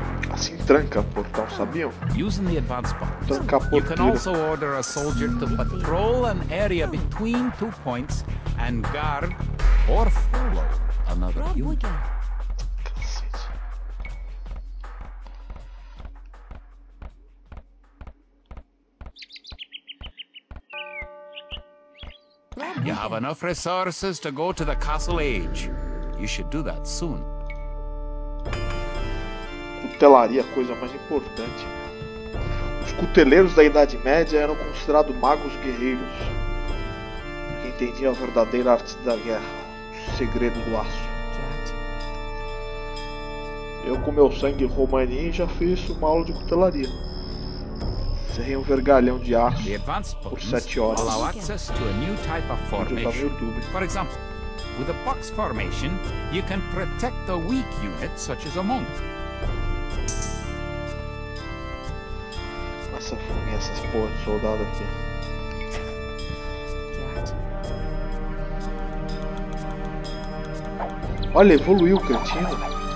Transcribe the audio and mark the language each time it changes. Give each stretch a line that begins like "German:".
Portuguese: Assim tranca portão, sabiam?
English: Using the advance buttons, you can also order a soldier to patrol an area between two points and guard or follow another unit. You have enough resources to go to the castle age. You should do that soon.
Portuguese: Cutelaria, coisa mais importante. Os cuteleiros da Idade Média eram considerados magos guerreiros. Entendiam a verdadeira arte da guerra, o segredo do aço. Eu, com meu sangue romani, já fiz uma aula de cutelaria. Serrei um vergalhão de aço por 7 horas.
English: Allow access to a new type of formation. For example, with a box formation, you can protect a weak unit such as a monk.
Portuguese: Mas essa fome, essas porras de soldado aqui. Olha, evoluiu o cretino.